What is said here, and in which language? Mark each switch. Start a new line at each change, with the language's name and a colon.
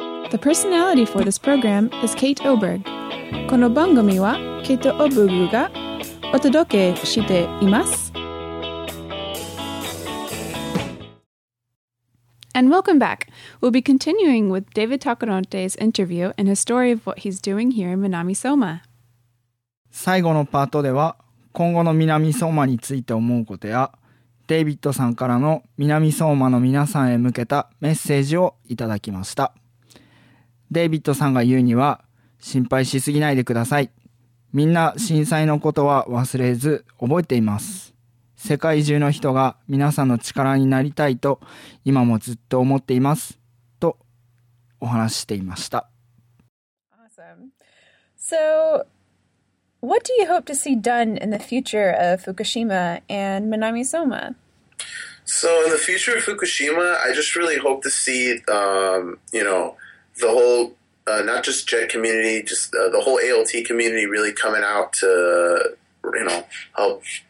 English: The personality for this program is Kate Oberg.
Japanese: この番組はケイト・オブグがお届けしています。
English: And welcome back. We'll be continuing with David Takonote's interview and his story of what he's doing here in Minami Soma.
Japanese: 最後のパートでは今後の南相馬について思うことやデイビッドさんからの南相馬の皆さんへ向けたメッセージをいただきました。デイビッドさんが言うには、心配しすぎないでください、みんな震災のことは忘れず覚えています、世界中の人が皆さんの力になりたいと今もずっと思っていますとお話ししていました。
English: Awesome. So what do you hope to see done in the future of Fukushima and Minami Soma? So in the future of Fukushima, I just really hope to see, the whole, not just JET community, just the whole ALT community really coming out to, help